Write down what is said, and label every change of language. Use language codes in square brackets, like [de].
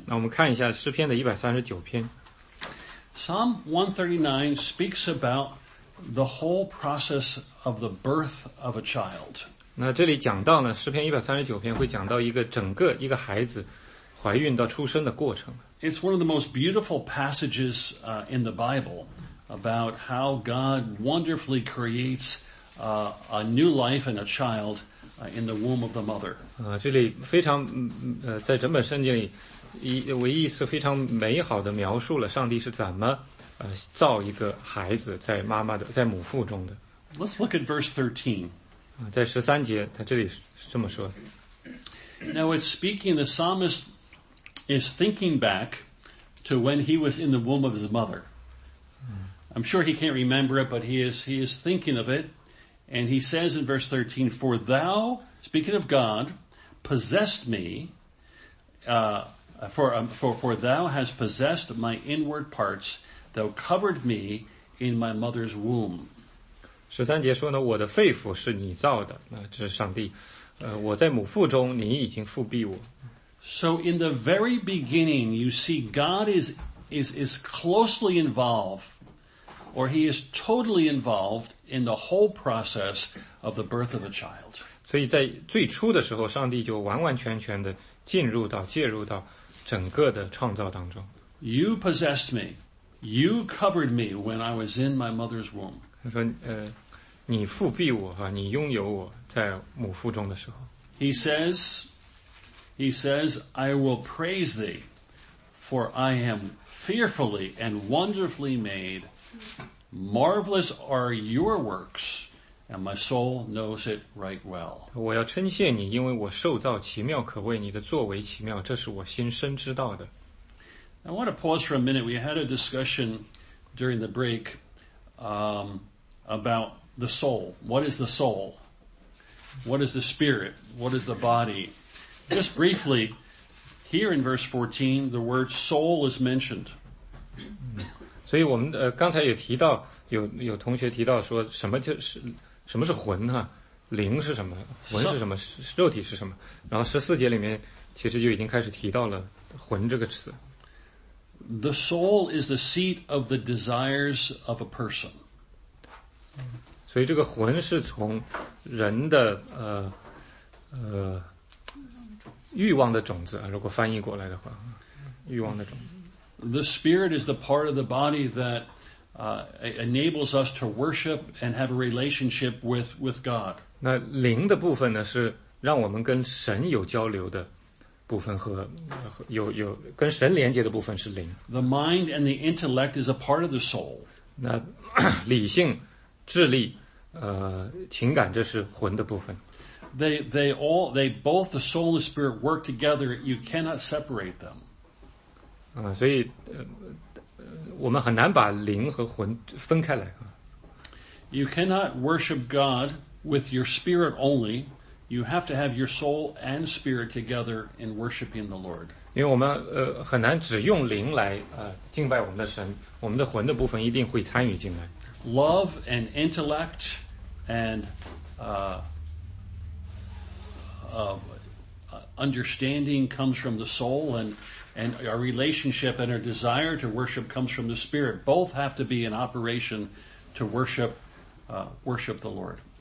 [zh] 那我们看一下诗篇的139篇。 [en] Psalm 139 speaks about the whole process of the birth of a child. [zh] 那这里讲到呢，诗篇139篇会讲到一个整个一个孩子怀孕到出生的过程。 [en] It's one of the most beautiful passages in the Bible. About how God wonderfully creates a new life and a child in the womb of the mother. [zh] 这里非常在整本圣经里唯一一次非常美好的描述了上帝是怎么造一个孩子在妈妈的在母腹中的。 [en] Let's look at verse 13. [zh] 在十三节，他这里是这么说。 [en] Now it's speaking. The psalmist is thinking back to when he was in the womb of his mother. I'm sure he can't remember it, but he is thinking of it. And he says in verse 13, For thou, speaking of God, possessed me, for thou hast possessed my inward parts, thou covered me in my mother's womb. [zh] 十三节说呢，我的肺腑是你造的，这是上帝。我在母腹中，你已经覆庇我。 [en] So in the very beginning, you see God is closely involved. Or he is totally involved in the whole process of the birth of a child. [zh] 所以在最初的时候，上帝就完完全全的进入到介入到整个的创造当中。 [en] You possessed me, you covered me when I was in my mother's womb. [zh] 他说，你覆庇我哈，你拥有我在母腹中的时候。 [en] He says, I will praise thee, For I am fearfully and wonderfully made. Marvelous are your works, and my soul knows it right well. [zh] 我要称谢你，因为我受造奇妙，可谓你的作为奇妙，这是我心深知道的。 [en] I want to pause for a minute. We had a discussion during the break, about the soul. What is the soul? What is the spirit? What is the body? Just briefly, here in verse 14, the word soul is mentioned. [zh] 所以我们刚才也提到，有同学提到说什么是魂哈、啊，灵是什么，魂是什么，肉体是什么？然后十四节里面其实就已经开始提到了魂这个词。 [en] The soul is the seat of the desires of a person. [zh] 所以这个魂是从人的欲望的种子，如果翻译过来的话，欲望的种子。 [en] The spirit is the part of the body that enables us to worship and have a relationship with God. [zh] 那灵的部分呢，是让我们跟神有交流的部分和有跟神连接的部分是灵。 [en] The mind and the intellect is a part of the soul. [zh] 那理性、智力、情感，这是魂的部分。 [en] They both the soul and spirit work together. You cannot separate them. [zh] 所以我们很难把灵和魂分开来。 [en] You cannot worship God with your spirit only. You have to have your soul and spirit together in worshiping the Lord. [zh] 因为我们很难只用灵来敬拜我们的神，我们的魂的部分一定会参与进来。 [en] Love and intellect and understanding comes from the soul, and our relationship and our desire to worship comes from the spirit. Both have to be in operation to worship the Lord.